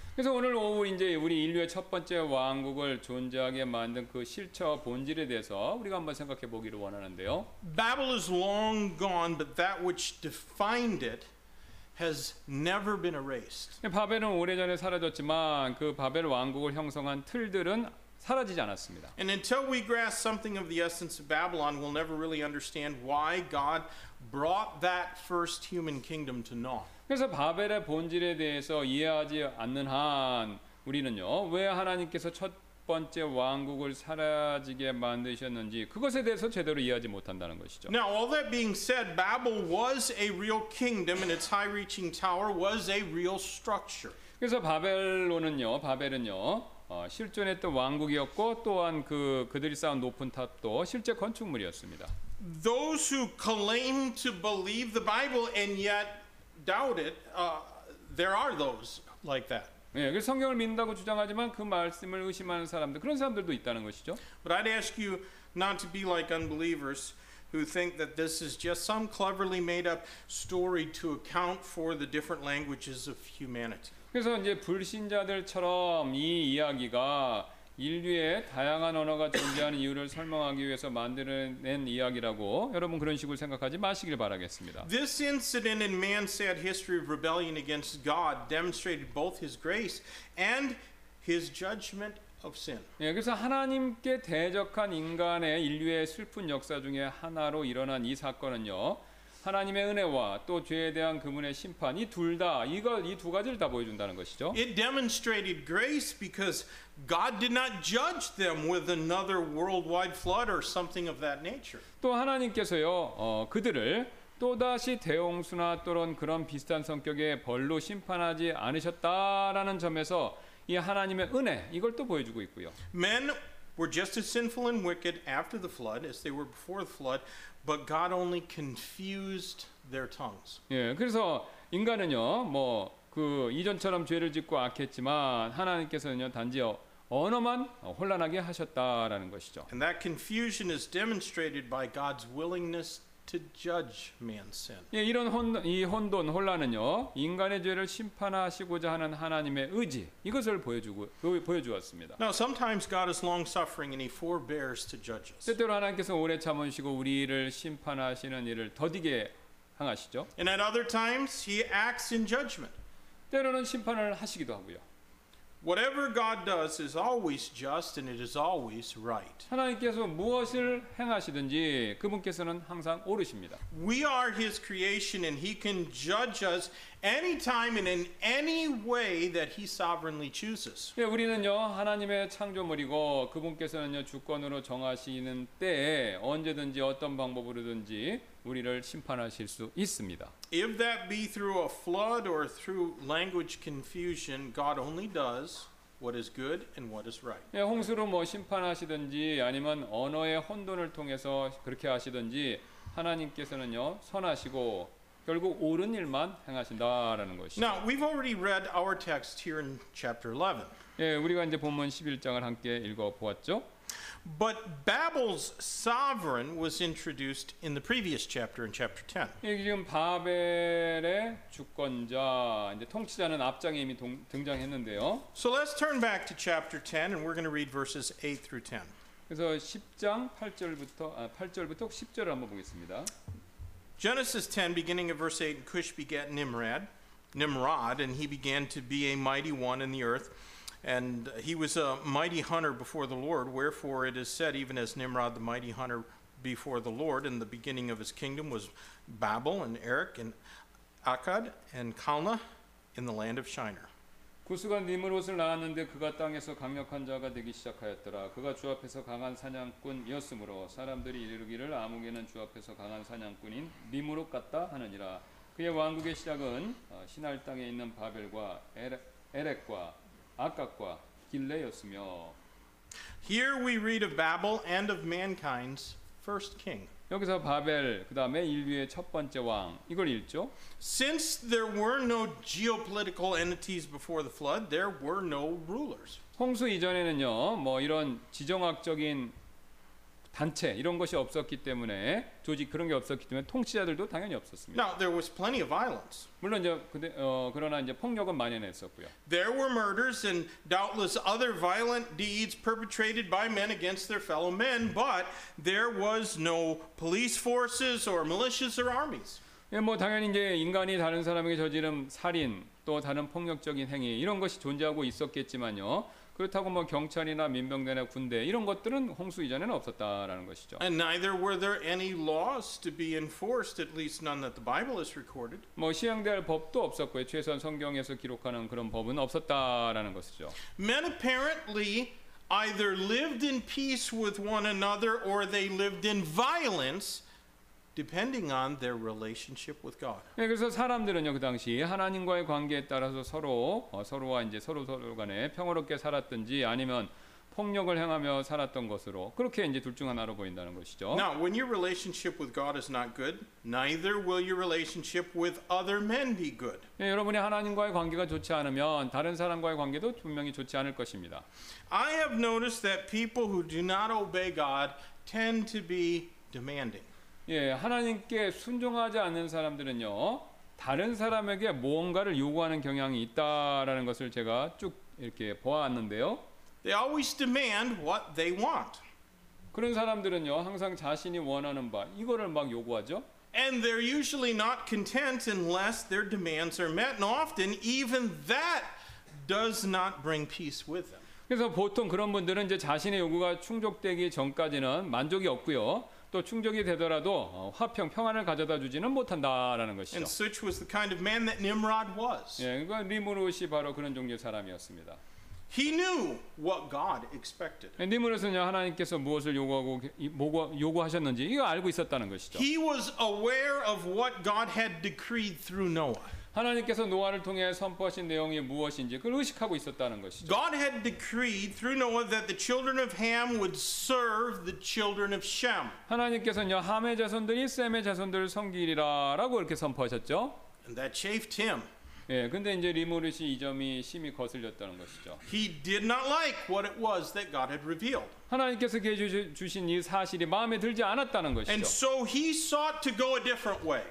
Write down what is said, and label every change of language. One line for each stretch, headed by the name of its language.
Korean: 그래서 오늘 오후 이제 우리 인류의 첫 번째 왕국을 존재하게 만든 그 실체 본질에 대해서 우리가 한번 생각해 보기를 원하는데요.
English: Babel is long gone, but that which defined it has never been erased.
Korean: 바벨은 오래전에 사라졌지만 그 바벨 왕국을 형성한 틀들은 사라지지 않았습니다.
English: And until we grasp something of the essence of Babylon, we'll never really understand why God brought that first human kingdom to naught.
Korean: 그래서 바벨의 본질에 대해서 이해하지 않는 한 우리는요, 왜 하나님께서 첫 번째 왕국을 사라지게 만드셨는지 그것에 대해서 제대로 이해하지 못한다는 것이죠.
English: Now all that being said, Babel was a real kingdom and its high-reaching tower was a real structure.
Korean: 그래서 바벨론은요, 바벨은요 실존했던 왕국이었고 또한 그들이 쌓은 높은 탑도 실제 건축물이었습니다.
English: Those who claim to believe the Bible and yet doubt it, there are those like that.
Korean: 예, 그래서 성경을 믿는다고 주장하지만 그 말씀을 의심하는 사람들 그런 사람들도 있다는 것이죠.
English: But I'd ask you not to be like unbelievers who think that this is just some cleverly made-up story to account for the different languages of humanity.
Korean: 그래서 이제 불신자들처럼 이 이야기가 인류의 다양한 언어가 존재하는 이유를 설명하기 위해서 만들어낸 이야기라고 여러분 그런 식으로 생각하지 마시길 바라겠습니다.
English: This incident in man's sad history of rebellion against God demonstrated both his grace and his judgment of sin.
Korean: 예, 그래서 하나님께 대적한 인간의 인류의 슬픈 역사 중에 하나로 일어난 이 사건은요. 하나님의 은혜와 또 죄에 대한 그분의 심판 이 둘 다 이걸 이 두 가지를 다 보여준다는 것이죠.
English: It demonstrated grace because God did not judge them with another worldwide flood or something of that nature.
Korean: 또 하나님께서요 그들을 또 다시 대홍수나 또는 그런 비슷한 성격의 벌로 심판하지 않으셨다라는 점에서 이 하나님의 은혜 이걸 또 보여주고 있고요.
English: Men were just as sinful and wicked after the flood as they were before the flood, but God only confused their tongues.
Korean: 예, 그래서 인간은요, 뭐 그 이전처럼 죄를 짓고 악했지만 하나님께서는요 단지요 언어만 혼란하게 하셨다라는 것이죠.
English: And that confusion is demonstrated by God's willingness to judge man's sin.
Korean: 예, 이런 혼돈 혼란은요 인간의 죄를 심판하시고자 하는 하나님의 의지 이것을 보여주었습니다.
English: Now sometimes God is long-suffering and He forbears to judge us.
Korean: 때때로 하나님께서 오래 참으시고 우리를 심판하시는 일을 더디게 행하시죠.
English: And at other times He acts in judgment.
Korean: 때로는 심판을 하시기도 하고요.
English: Whatever God does is always just and it is always right.
Korean: 하나님께서 무엇을 행하시든지 그분께서는 항상 옳으십니다.
English: We are His creation and He can judge us anytime and in any way that He sovereignly chooses.
Korean: 예, 우리는요 하나님의 창조물이고 그분께서는요 주권으로 정하시는 때에 언제든지 어떤 방법으로든지 우리를 심판하실 수 있습니다.
English: If that be through a flood or through language confusion, God only does what is good and what is right.
Korean: 예, 홍수로 뭐 심판하시든지 아니면 언어의 혼돈을 통해서 그렇게 하시든지 하나님께서는요 선하시고 결국 옳은 일만 행하신다라는 것이죠.
English: Now we've already read our text here in chapter 11.
Korean: 예, 우리가 이제 본문 11장을 함께 읽어 보았죠.
English: But Babel's sovereign was introduced in the previous chapter, in chapter 10.
Korean: 예, 지금 바벨의 주권자, 이제 통치자는 앞장에 이미 등장했는데요.
English: So let's turn back to chapter 10, and we're going to read verses 8 through 10.
Korean: 그래서 10장 8절부터 8절부터 10절을 한번 보겠습니다.
English: Genesis 10, beginning of verse 8, Cush begat Nimrod, and he began to be a mighty one in the earth. And he was a mighty hunter before the Lord. Wherefore it is said, even as Nimrod the mighty hunter before the Lord, in the beginning of his kingdom was Babel and Erech and Akkad and Calneh in the land of Shinar.
Korean: 구스가 니므롯을 낳았는데 그가 땅에서 강력한 자가 되기 시작하였더라. 그가 주 앞에서 강한 사냥꾼이었으므로 사람들이 이르기를 아무개는 주 앞에서 강한 사냥꾼인 니므롯 같다 하느니라. 그의 왕국의 시작은 시날 땅에 있는 바벨과 에렉과 아깝과 길레였으며.
English: Here we read of Babel and of mankind's first king.
Korean: 여기서 바벨 그다음에 인류의 첫 번째 왕 이걸 읽죠.
English: Since there were no geopolitical entities before the flood, there were no rulers.
Korean: 홍수 이전에는요, 뭐 이런 지정학적인 단체 이런 것이 없었기 때문에 조직 그런 게 없었기 때문에 통치자들도 당연히 없었습니다.
English: Now there was plenty of violence.
Korean: 물론 이제 근데 그러나 이제 폭력은 만연했었고요.
English: There were murders and doubtless other violent deeds perpetrated by men against their fellow men, but there was no police forces or militias or armies.
Korean: 예, 뭐 당연히 이제 인간이 다른 사람에게 저지른 살인 또 다른 폭력적인 행위 이런 것이 존재하고 있었겠지만요. 그렇다고 뭐 경찰이나 민병대나 군대 이런 것들은 홍수 이전에는 없었다라는 것이죠.
English: And neither were there any laws to be enforced, at least none that the Bible has recorded.
Korean: 뭐 시행될 법도 없었고요. 최소한 성경에서 기록하는 그런 법은 없었다라는 것이죠.
English: Men apparently either lived in peace with one another or they lived in violence, depending on their relationship with God.
Korean: 예, 그래서 사람들은요 그 당시 하나님과의 관계에 따라서 서로 서로와 이제 서로 간에 평화롭게 살았든지 아니면 폭력을 행하며 살았던 것으로 그렇게 이제 둘 중 하나로 보인다는 것이죠.
English: Now, when your relationship with God is not good, neither will your relationship with other men be good.
Korean: 예, 여러분이 하나님과의 관계가 좋지 않으면 다른 사람과의 관계도 분명히 좋지 않을 것입니다.
English: I have noticed that people who do not obey God tend to be demanding.
Korean: 예, 하나님께 순종하지 않는 사람들은요 다른 사람에게 무언가를 요구하는 경향이 있다라는 것을 제가 쭉 이렇게 보았는데요.
English: They always demand what they want.
Korean: 그런 사람들은요 항상 자신이 원하는 바 이거를 막 요구하죠.
English: And they're usually not content unless their demands are met, and often even that does not bring peace with them.
Korean: 그래서 보통 그런 분들은 이제 자신의 요구가 충족되기 전까지는 만족이 없고요. 또 충족이 되더라도 화평 평안을 가져다 주지는 못한다라는 것이죠.
English: And such was the kind of man that Nimrod was.
Korean: 예, 그러니까 니므롯이 바로 그런 종류의 사람이었습니다.
English: He knew what God expected.
Korean: 예, 니므롯은요 하나님께서 무엇을 요구하고 요구하셨는지 이거 알고 있었다는 것이죠.
English: He was aware of what God had decreed through Noah.
Korean: 하나님께서 노아를 통해 선포하신 내용이 무엇인지 그걸 의식하고 있었다는 것이죠.
English: God had decreed through Noah that the children of Ham would serve the children of Shem.
Korean: 하나님께서는 함의 자손들이 셈의 자손들을 섬기리라라고 이렇게 선포하셨죠.
English: And that chafed him.
Korean: 예, 근데 이제 리무르시 이 점이 심히 거슬렸다는 것이죠.
English: He did not like what it was that God had revealed.
Korean: 하나님께서 계시 주신 이 사실이 마음에 들지 않았다는 것이죠.
English: And so he sought to go a different way.